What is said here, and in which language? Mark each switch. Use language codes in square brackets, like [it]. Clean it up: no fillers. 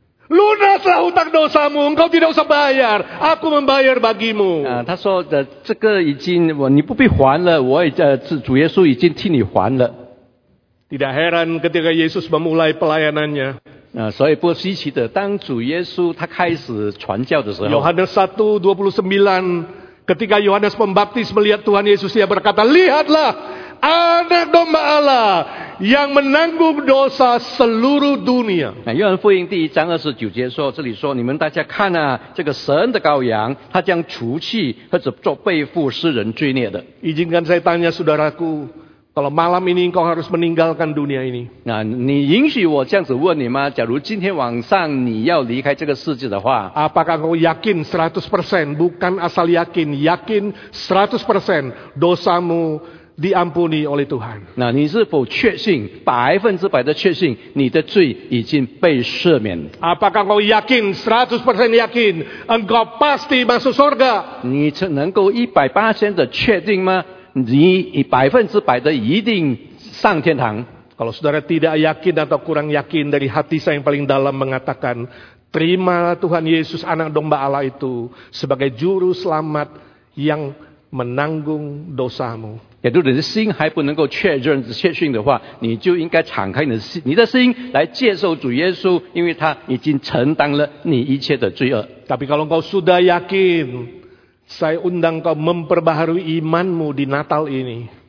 [id] Lunaslah hutang dosamu, engkau tidak usah bayar, aku membayar bagimu. [zh] 啊，他说的这个已经我你不必还了，我主耶稣已经替你还了。 [id] Tidak heran ketika Yesus memulai pelayanannya. [zh] 所以不稀奇的，当主耶稣他开始传教的时候。 [id] Yohanes 1:29 ketika Yohanes Pembaptis melihat Tuhan Yesus, dia berkata, lihatlah anak domba Allah yang menanggung dosa seluruh dunia. [zh] Nah, Yohanes 福音第一章二十九节说，这里说，你们大家看啊，这个神的羔羊，他将除去或者做背负世人罪孽的。 [id] Izinkan saya tanya saudaraku. Kalau malam ini engkau harus meninggalkan dunia ini. [zh] Nah, 你允许我这样子问你吗？假如今天晚上你要离开这个世界的话， [id] apakah kau yakin 100%? Bukan asal yakin, yakin 100% dosamu diampuni oleh Tuhan. [zh] Nah, 你是否确信100%的确信你的罪已经被赦免？ [id] Apakah kau yakin 100% yakin engkau pasti masuk surga? [zh] 你能够100%的确定吗？你100%的一定上天堂。 [id] Kalau saudara tidak yakin atau kurang yakin dari hati saya yang paling dalam mengatakan terima Tuhan Yesus anak domba Allah itu sebagai juru selamat yang menanggung dosamu. [zh] 也就是你的心还不能够确认确信的话，你就应该敞开你的心来接受主耶稣，因为他已经承担了你一切的罪恶。 [id] Tapi kalau kau sudah yakin,Saya undang kau memperbaharui imanmu di Natal ini.